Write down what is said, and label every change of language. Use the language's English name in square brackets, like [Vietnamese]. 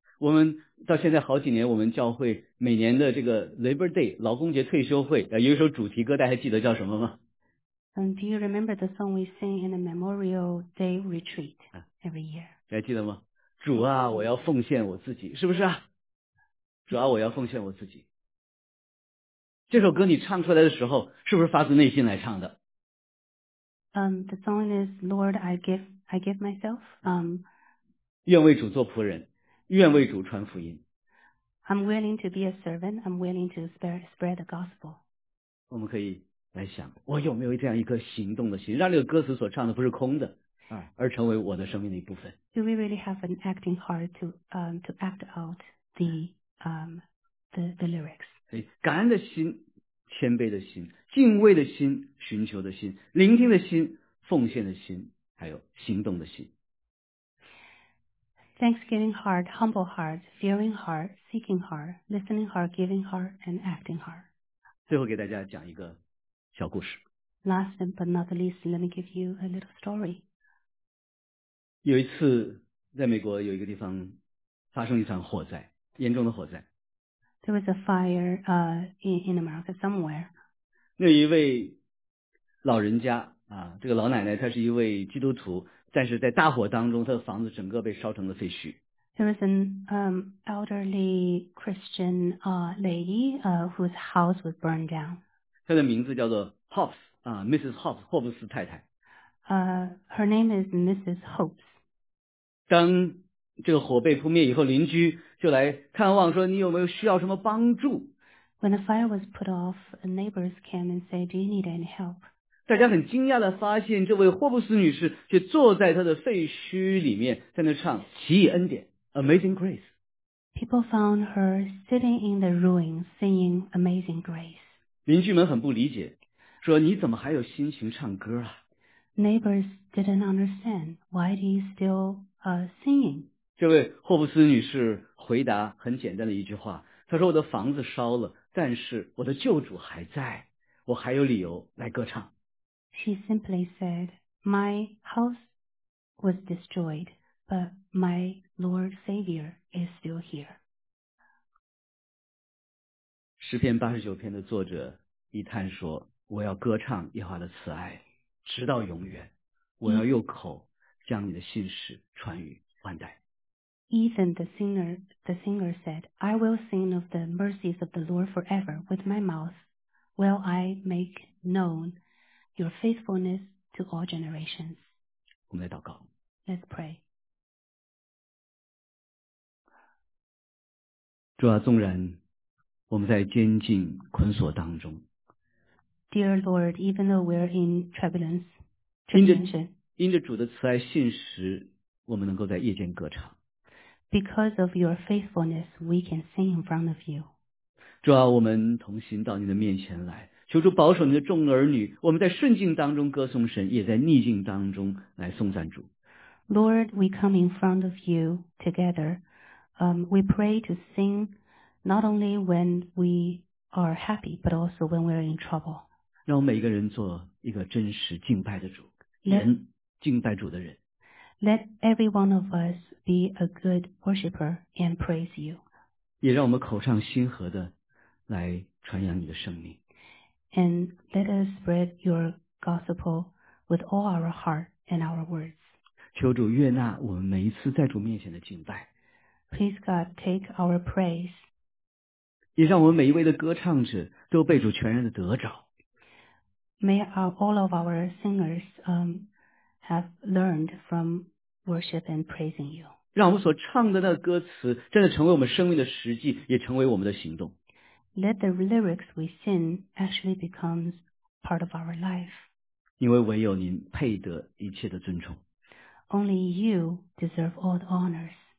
[Chinese] 我们到现在好几年，我们教会每年的这个 Labor Day 劳工节退休会，有一首主题歌，大家还记得叫什么吗？ [English] Do you remember the song we sing in the Memorial Day retreat every year? [Chinese] 还记得吗？主啊，我要奉献我自己，是不是啊？主啊，我要奉献我自己。这首歌你唱出来的时候，是不是发自内心来唱的？ [English] The song is Lord, I give myself. [Chinese] 愿为主做仆人，愿为主传福音。 [English] I'm willing to be a servant. I'm willing to spread the gospel. [Chinese] 我们可以来想，我有没有这样一颗行动的心，让这个歌词所唱的不是空的，而成为我的生命的一部分。 [English] Do we really have an acting heart to act out the lyrics? [Chinese] 感恩的心，谦卑的心。敬畏的心，寻求的心，聆听的心，奉献的心，还有行动的心。 [English] Thanksgiving heart, humble heart, fearing heart, seeking heart, listening heart, giving heart, and acting heart. [Chinese] 最后给大家讲一个小故事。 [English] Last but not least, let me give you a little story. [Chinese] 有一次在美国有一个地方发生一场火灾，严重的火灾。 [English] There was a fire in America somewhere. [Chinese] 那一位老人家啊，这个老奶奶她是一位基督徒，但是在大火当中她的房子整个被烧成了废墟。 [English] There was an elderly Christian lady whose house was burned down. [Chinese] 她的名字叫做 Hobbs, Mrs. Hobbs, 霍布斯太太。 [English] Her name is Mrs. Hobbs. [Chinese] 当这个火被扑灭以后，邻居就来看望说，你有没有需要什么帮助？ [English] When the fire was put off, neighbors came and said, do you need any help? [Chinese] 大家很惊讶地发现，这位霍布斯女士却坐在她的废墟里面，在那唱奇异恩典。 [English] Amazing Grace. People found her sitting in the ruins singing Amazing Grace. [Chinese] 邻居们很不理解，说你怎么还有心情唱歌啊？ [English] Neighbors didn't understand. Why do you still singing? [Chinese] 这位霍布斯女士回答很简单的一句话，她说我的房子烧了，但是我的救主还在，我还有理由来歌唱。 [English] She simply said, my house was destroyed, but my Lord Savior is still here. [Chinese] 诗篇八十九篇的作者一探说，我要歌唱耶和华的慈爱直到永远，我要用口将你的信实传于万代。 [English] Ethan the singer said, I will sing of the mercies of the Lord forever with my mouth, will I make known your faithfulness to all generations. [Chinese] 我们来祷告。 [English] Let's pray. [Chinese] 主啊，纵然我们在监禁捆锁当中。 [English] Dear Lord, even though we're in tribulation, [Chinese] 因着主的慈爱信实，我们能够在夜间歌唱。 [English] Because of your faithfulness, we can sing in front of you. [Chinese] 主啊，我们同心到你的面前来，求主保守你的众儿女，我们在顺境当中歌颂神，也在逆境当中来颂赞主。 [English] Lord, we come in front of you together. We pray to sing not only when we are happy, but also when we're in trouble. [Chinese] 让我们每个人做一个真实敬拜的主，人敬拜主的人。 [English] Let every one of us be a good worshipper and praise you. [Chinese] 也让我们口唱心和的来传扬你的圣名。 [English] And let us spread your gospel with all our heart and our words. [Chinese] 求主悦纳我们每一次在主面前的敬拜。 [English] Please God, take our praise. [Chinese] 也让我们每一位的歌唱者都被主全然的得着。 [English] May all of our singers have learned from worship and praising you. [Chinese] 让我们所唱的那歌词真的成为我们生命的实际，也成为我们的行动。 [English] Let the lyrics we sing actually become part of our life. [Chinese] 因为唯有您配得一切的尊崇。 [English] Only you deserve all the honors.